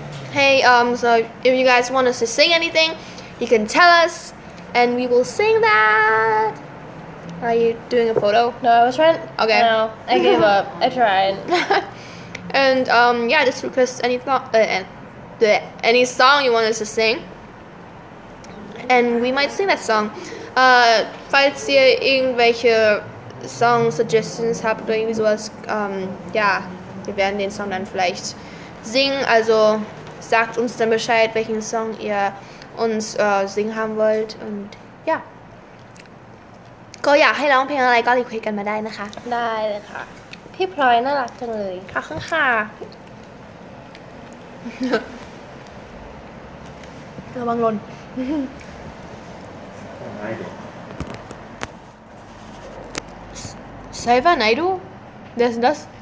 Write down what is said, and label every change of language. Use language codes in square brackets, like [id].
[en] Hey, so if you guys want us to sing anything, you can tell us and we will sing that. Are you doing a photo? No, I was trying. Okay. No, I gave up. I tried. And yeah, just request any song you want us to sing. And we might sing that song. [de] Falls ihr irgendwelche Song Suggestions habt oder irgendwie sowas, ja, wir werden den Song dann vielleicht singen, also sagt uns dann Bescheid, welchen Song ihr uns singen haben wollt. Und ja. [th] ก็อยากให้ร้องเพลงอะไรก็รีเควสกันมาได้นะคะ ได้เลยค่ะพี่พลอยน่ารักจังเลย ขอบคุณค่ะระวังหล่นไซวาไนดู [en] this and this